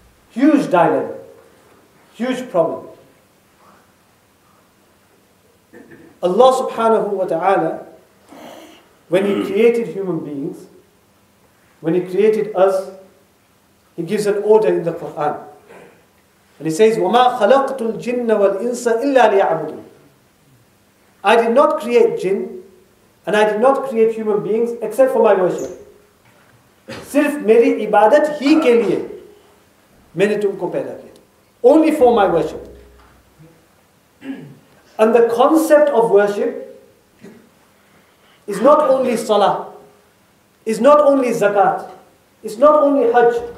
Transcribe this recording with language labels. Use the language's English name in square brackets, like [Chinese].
[English] Huge dilemma. Huge problem. Allah subhanahu wa ta'ala, when He created human beings, when He created us, He gives an order in the Quran. And He says, [Arabic] وَمَا خَلَقْتُ الْجِنَّ وَالْإِنسَ إِلَّا لِيَعْبُدُونَ. [English] I did not create jinn, and I did not create human beings except for my worship. [Urdu] Sirf meri ibadat hi ke liye maine tumko paida kiya. [English] Only for my worship. And the concept of worship is not only salah, is not only zakat, is not only hajj.